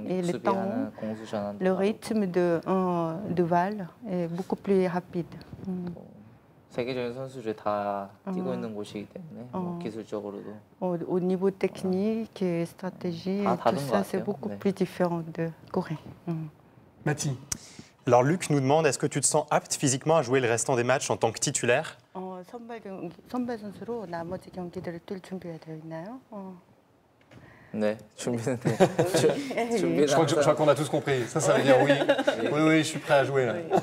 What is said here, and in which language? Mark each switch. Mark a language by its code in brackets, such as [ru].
[fr] Et le temps, le rythme de Val est beaucoup plus rapide. [ko] 세계적인 선수들이 다 뛰고 있는 곳이기 때문에 뭐 기술적으로도 [fr] au niveau technique et stratégie tout ça c'est beaucoup plus différent de Corée. Mathis. Alors Luc nous demande est-ce que tu te sens apte physiquement à jouer le restant des matchs en tant que titulaire? [ko] 선발 선수로 나머지 경기들을 뛸 준비가 되어 있나요? 네, 준비는 돼. [fr] Je crois qu'on a tous compris. Ça ça veut dire oui. Oui oui, je suis prêt à jouer là.